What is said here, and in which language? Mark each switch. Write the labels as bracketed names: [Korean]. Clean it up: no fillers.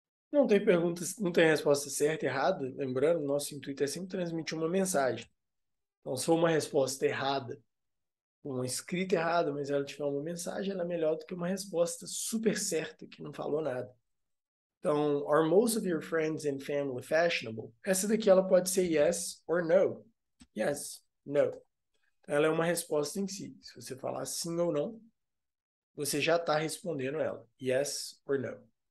[Portuguese] Não tem perguntas, não tem resposta certa e errada. Lembrando, nosso intuito é sempre transmitir uma mensagem. Então, se for uma resposta errada, uma escrita errada, mas ela tiver uma mensagem, ela é melhor do que uma resposta super certa que não falou nada. Então, [English] are most of your friends and family fashionable? [Portuguese] Essa daqui ela pode ser [English] yes or no. Yes, no. [Portuguese] Ela é uma resposta em si. Se você falar sim ou não, você já está respondendo ela. [English] Yes or no.